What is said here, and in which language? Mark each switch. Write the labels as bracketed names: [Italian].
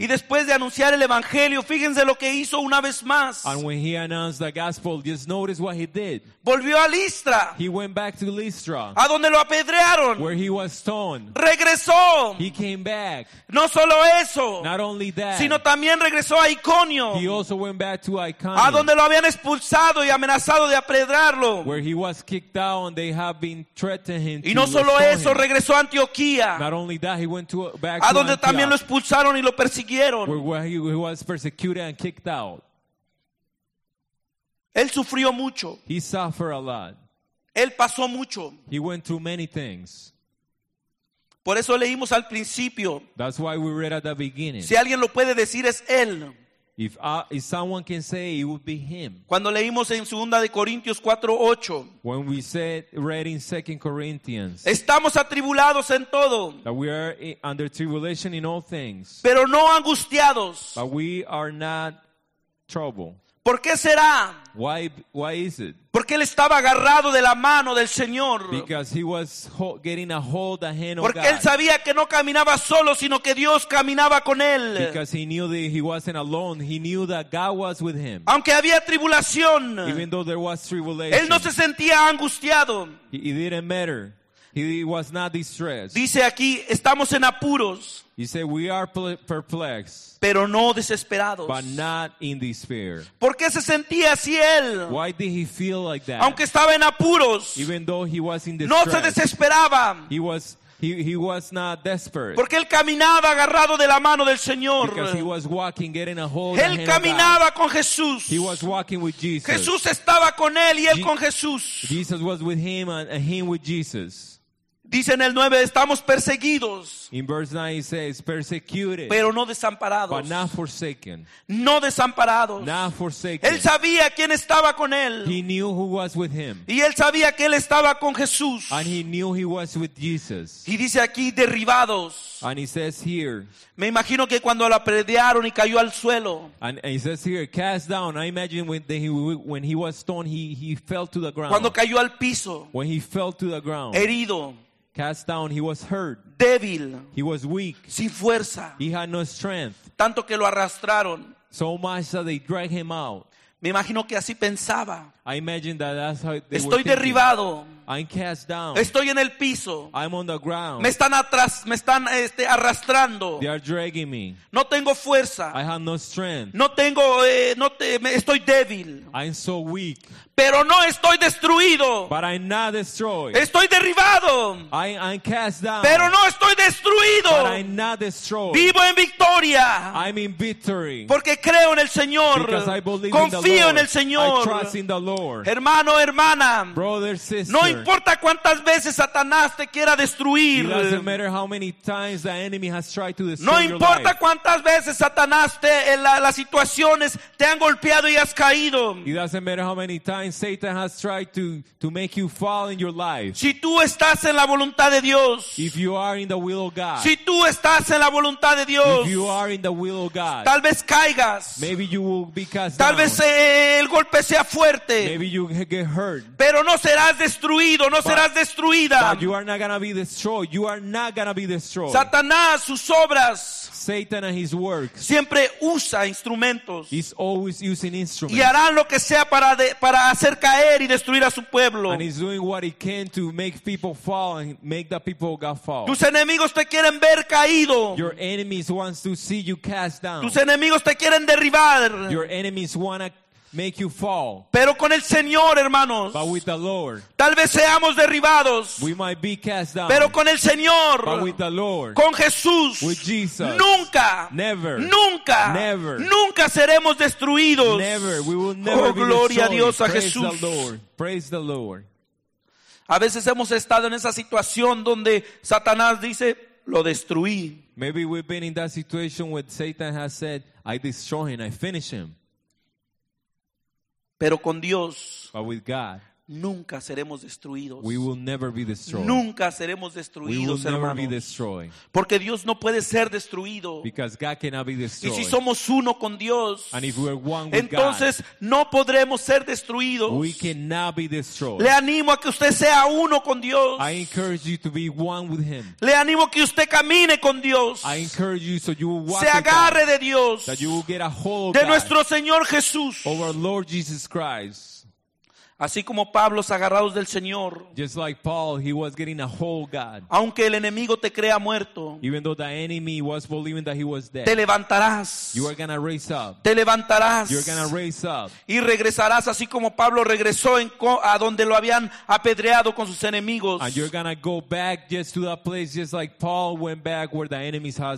[Spanish] Y después de anunciar el evangelio, fíjense lo que hizo una vez más. [English] And when he announced the gospel, just notice what he did. [Spanish] Volvió a Listra. [English] He went back to Listra. [Spanish] A donde lo apedrearon. [English] Where he was stoned. [Spanish] Regresó. [English] He came back. [Spanish] No solo eso. [English] Not only that. [Spanish] Sino también regresó a Iconio. [English] He also went back to Iconio. [Spanish] A donde lo habían expulsado y amenazado de apedrearlo. [English] Where he was kicked out and they have been threatening him. [Spanish] Y no solo eso, regresó a Antioquía. [English] Not only that, he went to [Spanish] a donde también lo expulsaron y lo persiguieron. [English] Where he was persecuted and kicked out. [Spanish] Él sufrió mucho. [English] He suffered a lot. [Spanish] Él pasó mucho. [English] He went through many things. [Spanish] Por eso leímos al principio. [English] That's why we read at the beginning. [Spanish] Si alguien lo puede decir es él. [English] If someone can say it would be him. [Spanish] Cuando leímos en 2 de Corintios 4:8. [English] When we read in 2 Corinthians. [Spanish] Estamos atribulados en todo. [English] That we are under tribulation in all things. [Spanish] Pero no angustiados. [English] But we are not troubled. [Spanish] ¿Por qué será? [English] Why is it? [Spanish] Porque él estaba agarrado de la mano del Señor. [English] Because he was getting a hold of the hand of God. [Spanish] Porque él sabía que no caminaba solo, sino que Dios caminaba con él. [English] Because he knew that he wasn't alone. He knew that God was with him. [Spanish] Aunque había tribulación. [English] Even though there was tribulation. [Spanish] Él no se sentía angustiado. [English] It didn't matter. He was not distressed. [Spanish] Dice aquí, estamos en apuros. [English] He said, we are perplexed. [Spanish] Pero no desesperados. [English] But not in despair. [Spanish] ¿Por qué se sentía así él? [English] Why did he feel like that? [Spanish] Aunque estaba en apuros. [English] Even though he was in distress. [Spanish] No se desesperaba. [English] He was not desperate. [Spanish] Porque él caminaba agarrado de la mano del Señor. [English] Because he was walking, getting a hold of the hand. [Spanish] Él caminaba con Jesús. [English] He was walking with Jesus. [Spanish] Jesús estaba con él y él con Jesús. [English] Jesus was with him and him with Jesus. [Spanish] Dice en el 9, estamos perseguidos. [English] In verse 9 he says, persecuted. [Spanish] Pero no desamparados. [English] But not forsaken. [Spanish] No desamparados. [English] Not forsaken. [Spanish] Él sabía quién estaba con él. [English] He knew who was with him. [Spanish] Y él sabía que él estaba con Jesús. [English] And he knew he was with Jesus. [Spanish] Y dice aquí, derribados. [English] And he says here. [Spanish] Me imagino que cuando lo apedrearon y cayó al suelo. [English] And he says here, cast down. I imagine when he was stoned, he fell to the ground. [Spanish] Cuando cayó al piso. [English] When he fell to the ground. [Spanish] Herido. [English] Cast down, he was hurt. [Spanish] Débil. [English] He was weak. [Spanish] Sin fuerza. [English] He had no strength. [Spanish] Tanto que lo arrastraron. [English] So much that they dragged him out. [Spanish] Me imagino que así pensaba. [English] I imagine that that's how they [Spanish] Estoy were derribado. [English] I'm cast down. [Spanish] Estoy en el piso. [English] I'm on the ground. [Spanish] Me están atrás, me están arrastrando. [English] They are dragging me. [Spanish] No tengo fuerza. [English] I have no strength. [Spanish] No tengo estoy débil. [English] I'm so weak. [Spanish] Pero no estoy destruido. [English] But I'm not destroyed. [Spanish] Estoy derribado. [English] I'm cast down. [Spanish] Pero no estoy destruido. [English] But I'm not destroyed. [Spanish] Vivo en victoria. [English] I'm in victory. [Spanish] Porque creo en el Señor. [English] Because I believe [Spanish] Confío [English] in the [Spanish] en el Señor. [English] I trust in the Lord. [Spanish] Hermano, hermana. [English] Brother, sister. [Spanish] No importa cuántas veces Satanás te quiera destruir. [English] It doesn't matter how many times the enemy has tried to destroy [Spanish] No importa cuántas veces Satanás te las situaciones te han golpeado y has caído. [English] It doesn't matter how many times Satan has tried to make you fall in your life. [Spanish] Si tú estás en la voluntad de Dios. [English] If you are in the will of God. [Spanish] Si tú estás en la voluntad de Dios. [English] If you are in the will of God. [Spanish] Tal vez caigas. [English] Maybe you will be cast down. [Spanish] Tal vez el golpe sea fuerte. [English] Maybe you get hurt. [Spanish] Pero no serás destruido, no serás destruida. [English] But you are not gonna be destroyed. You are not gonna be destroyed. [Spanish] Satanás, sus obras. [English] Satan and his works. [Spanish] Siempre usa instrumentos. [English] He's always using instruments. [Spanish] Y harán lo que sea para hacer caer y destruir a su pueblo. [English] And he's doing what he can to make people fall and make the people of God fall. [Spanish] Tus enemigos te quieren ver caído. [English] Your enemies wants to see you cast down. [Spanish] Tus enemigos te quieren derribar. [English] Your enemies wanna make you fall. [Spanish] Pero con el Señor, hermanos. [English] But with the Lord. [Spanish] Tal vez seamos derribados. [English] We might be cast down. [Spanish] Pero con el Señor. [English] But with the Lord. [Spanish] Con Jesús. [English] With Jesus. [Spanish] Nunca. [English] Never. [Spanish] Nunca. [English] Never. [Spanish] Nunca seremos destruidos. [English] Never. We will never [Spanish] oh, gloria a Dios, a Jesús. [English] Praise the Lord. Praise the Lord. [Spanish] A veces hemos estado en esa situación donde Satanás dice, lo destruí. [English] Maybe we've been in that situation where Satan has said, I destroy him, I finish him. [Spanish] Pero con Dios [English] with God, [Spanish] nunca seremos destruidos. [English] We will never be destroyed. [Spanish] Nunca seremos destruidos, [English] we will [Spanish] hermanos. [English] Never be destroyed. [Spanish] Porque Dios no puede ser destruido. [English] Because God cannot be destroyed. [Spanish] Y si somos uno con Dios, [English] and if we're one [Spanish] entonces [English] with God, [Spanish] no podremos ser destruidos. [English] We cannot be destroyed. [Spanish] Le animo a que usted sea uno con Dios. [English] I encourage you to be one with him. [Spanish] Le animo a que usted camine con Dios. [English] I encourage you so you will walk [Spanish] Se agarre [English] with God, [Spanish] de Dios. [English] That you will get a hold of [Spanish] de [English] God, [Spanish] nuestro Señor Jesús. [English] Of our Lord Jesus Christ. [Spanish] Así como Pablo agarrados del Señor. [English] Just like Paul, he was getting a hold of God. [Spanish] Aunque el enemigo te crea muerto. [English] Even though the enemy was believing that he was dead. [Spanish] Te levantarás. [English] You are gonna raise up. [Spanish] Te levantarás. [English] You're gonna raise up. [Spanish] Y regresarás así como Pablo regresó a donde lo habían apedreado con sus enemigos. [English] And you're gonna go back just to that place just like Paul went back where the enemies had